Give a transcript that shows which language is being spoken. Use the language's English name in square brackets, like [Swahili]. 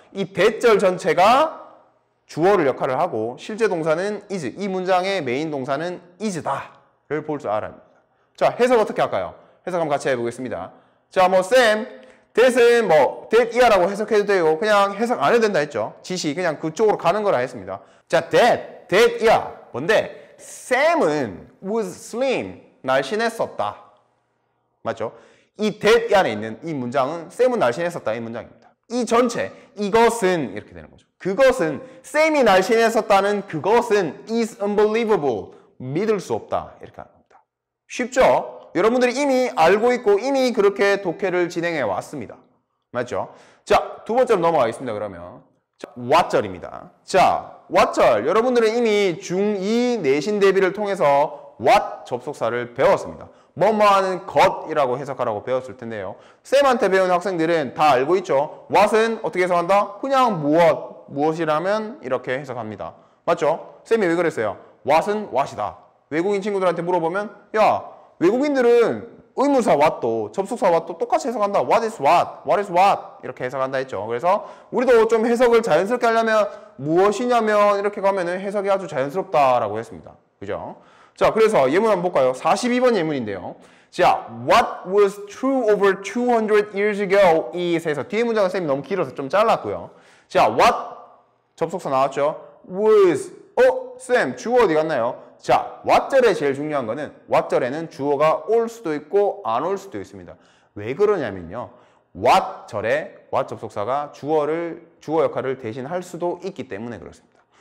[Korean] 이 대절 전체가 주어를 역할을 하고 실제 동사는 is, 이 문장의 메인 동사는 is다 를 볼 줄 알아야 합니다. 자, 해석 어떻게 할까요? 해석 한번 같이 해보겠습니다. 자, 뭐 쌤, that은 뭐 that 이하라고 해석해도 돼요. 그냥 해석 안 해도 된다 했죠. 지시 그냥 그쪽으로 가는 거라 했습니다. 자, that 이하 뭔데? Sam은 [English] was slim, [Korean] 날씬했었다. 맞죠? 이 that 안에 있는 이 문장은 Sam은 날씬했었다 이 문장입니다. 이 전체, 이것은 이렇게 되는 거죠. 그것은, Sam이 날씬했었다는 그것은 [English] is unbelievable, [Korean] 믿을 수 없다 이렇게 합니다. 쉽죠? 여러분들이 이미 알고 있고 이미 그렇게 독해를 진행해 왔습니다. 맞죠? 자, 두 번째로 넘어가겠습니다. 그러면 what절입니다. 자, what절. 여러분들은 이미 중2 내신 대비를 통해서 what 접속사를 배웠습니다. 뭐뭐 하는 것이라고 해석하라고 배웠을 텐데요. 쌤한테 배운 학생들은 다 알고 있죠. what은 어떻게 해석한다? 그냥 무엇, 무엇이라면 이렇게 해석합니다. 맞죠? 쌤이 왜 그랬어요? what은 what이다. 외국인 친구들한테 물어보면 야, 외국인들은 의문사 what도 접속사 what도 똑같이 해석한다. [English] What is what? What is what? [Korean] 이렇게 해석한다 했죠. 그래서 우리도 좀 해석을 자연스럽게 하려면 무엇이냐면 이렇게 가면은 해석이 아주 자연스럽다라고 했습니다. 그죠? 자, 그래서 예문 한번 볼까요? 42번 예문인데요. [English] 자, What was true over 200 years ago? [Korean] 이에서 뒤에 문장은 쌤이 너무 길어서 좀 잘랐고요. 자, what 접속사 나왔죠? Was 어? 쌤 주어 어디 갔나요? 자, what절에 제일 중요한 거는 what절에는 주어가 올 수도 있고 안 올 수도 있습니다. 왜 그러냐면요. what절에 what 접속사가 주어 역할을 대신할 수도 있기 때문에 그렇습니다.